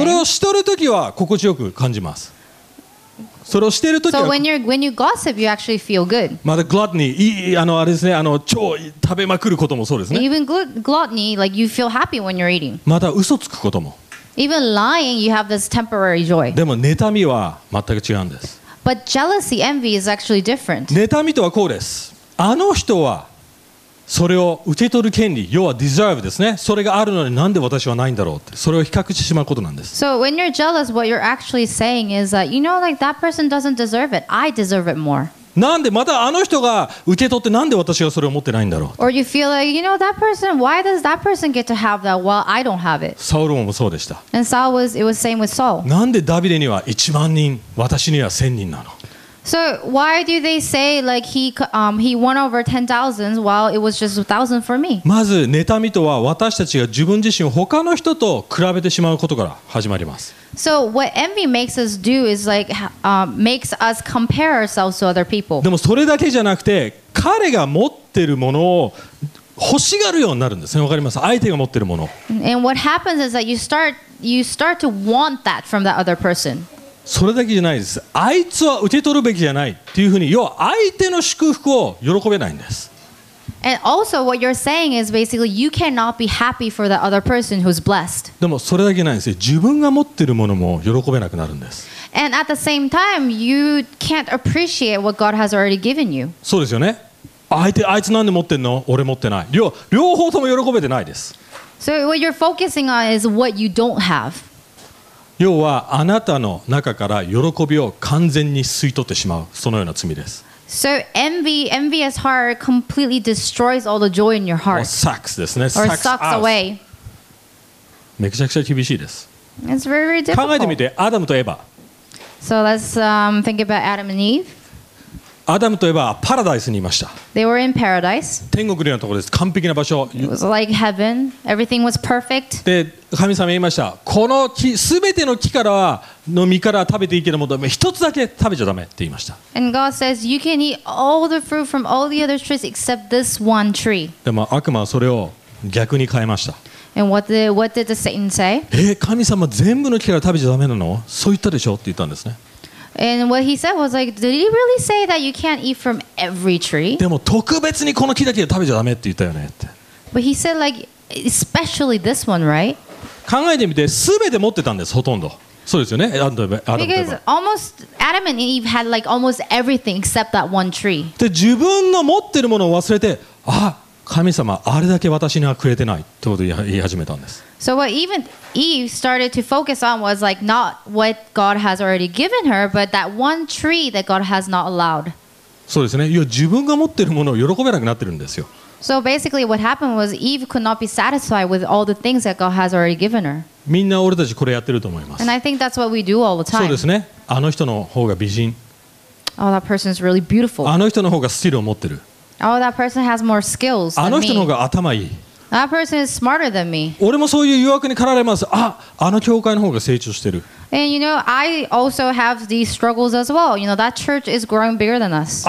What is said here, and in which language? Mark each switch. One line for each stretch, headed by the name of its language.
Japanese: それをしとるときは心地よく感じます。それをしているときは。
English: So when you gossip, you actually feel good.
Japanese: またグラッニー、あれですね、超食べまくることもそうですね。
English: Even gluttony, like you feel happy when you're eating.
Japanese: また嘘つくことも。
English: Even lying, you have this temporary joy.
Japanese: でも妬みは全く違うんです。
English: But jealousy, envy is actually different.
Japanese: 妬みとはこうです。あの人は、それを受け取る権利、要は deserve ですね。それがあるのになんで私はないんだろうって、それを比較してしまうことなんです。
English: So when you're jealous, what you're actually saying is that, you know, like that person doesn't deserve it. I deserve it more.
Japanese: なんでまたあの人が受け取ってなんで私はそれを持ってないんだろう。
English: Or you feel like, you know, that person, why does that person get to have that while I don't have it?
Japanese: サウルもそうでした。
English: And Saul was, it was same with Saul.
Japanese: なんでダビデには1万人、私には1000人なの。
English: So why do they say like he won over 10,000 while it was just 1,000 for me?
Japanese: まず妬みとは私たちが自分自身を他の人と比べてしまうことから始まります。
English: So what envy makes us do is like makes us compare ourselves to other people.
Japanese: でもそれだけじゃなくて彼が持ってるものを欲しがるようになるんですね。わかります。相手が持ってるもの。
English: And what happens is that you start to want that from that other person.
Japanese: それだけじゃないです。あいつは受け取るべきじゃないっていうふうに、要は相手の祝福を喜べないんです。
English: And also, what you're saying is basically you cannot be happy for the other person who's blessed.
Japanese: でもそれだけじゃないんですよ。自分が持ってるものも喜べなくなるんです。
English: And at the same time, you can't appreciate what God has already given you.
Japanese: そうですよね。あいつなんで持ってんの？俺持ってない。両方とも喜べてないです。
English: So what you're focusing on is what you don't have.
Japanese: 要はあなたの中から喜びを完全に吸い取ってしまうそのような罪です。
English: So envious heart completely destroys all the joy in your heart. Or sucks
Japanese: ですね。
English: Or sucks away.
Japanese: めちゃくちゃ厳しいです。
English: It's very, very difficult.
Japanese: 考えてみて、アダムとエヴァ。
English: So let's think about Adam and Eve.
Japanese: アダムとエヴァはパラダイスにいました。
English: They were in paradise.
Japanese: 天国のようなところです。完璧な場所。
English: It was like heaven. Everything was perfect.
Japanese: で、神様言いました。この木、すべての木からは、の実からは食べていいけども、一つだけ食べちゃダメって言いました。
English: And God says, you can eat all the fruit from all the other trees except this one tree.
Japanese: でも悪魔はそれを逆に変えました。
English: And what did the Satan say?
Japanese: 神様全部の木から食べちゃダメなの？そう言ったでしょって言ったんですね。
English: And what he said was like, did he really say that you can't eat from every tree?
Japanese: でも特別にこの木だけは食べちゃダメって言ったよねって。
English: But he said like, especially this one, right?
Japanese: 考えてみて、すべて持ってたんです、ほとんど。そうですよね、アダムとエヴァ。
English: Because almost Adam and Eve had like almost everything except that one tree.
Japanese: で、自分の持ってるものを忘れて、あ、神様、あれだけ私にはくれてないってことを言い始めたんです。
English: So what even Eve started to focus on was like not what God has already given her, but that one tree that God has not allowed.
Japanese: そうですね。いや、自分が持ってるものを喜べなくなってるんですよ。
English: So basically what happened was Eve could not be satisfied with all the things that God has already given her.
Japanese: みんな俺たちこれやってると思います。
English: And I think that's what we do all the time.
Japanese: そうですね。あの人の方が美人。
English: Oh, that person is really beautiful.
Japanese: あの人の方がスキルを持ってる。
English: Oh, that person has more skills than me.
Japanese: あの人の方が頭いい。
English: That person is smarter than me.
Japanese: 俺もそういう誘惑に駆られます。あ、あの教会の方が成長してる。
English: And you know, I also have these struggles as well. You know, that church is growing bigger than us.